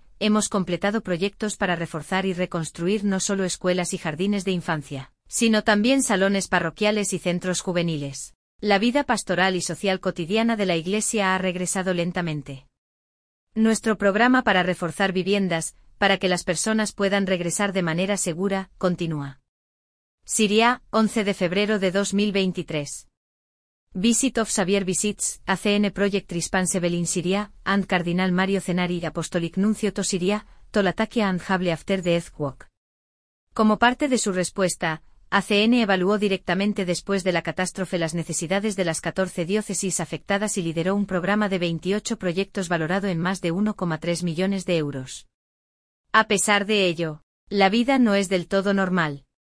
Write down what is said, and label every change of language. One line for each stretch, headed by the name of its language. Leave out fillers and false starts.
Spanish: Hemos completado proyectos para reforzar y reconstruir no solo escuelas y jardines de infancia, sino también salones parroquiales y centros juveniles. La vida pastoral y social cotidiana de la Iglesia ha regresado lentamente. Nuestro programa para reforzar viviendas, para que las personas puedan regresar de manera segura, continúa. Siria, 11 de febrero de 2023.
English: Visit of Xavier-Bisitz, ACN Project Responsible in Syria, and Cardinal Mario Zenari, Apostolic Nuncio to Syria, to Latakia and Jable after the earthquake.
Spanish: Como parte de su respuesta, ACN evaluó directamente después de la catástrofe las necesidades de las 14 diócesis afectadas y lideró un programa de 28 proyectos valorado en más de 1,3 millones de euros. A pesar de ello, la vida no es del todo normal.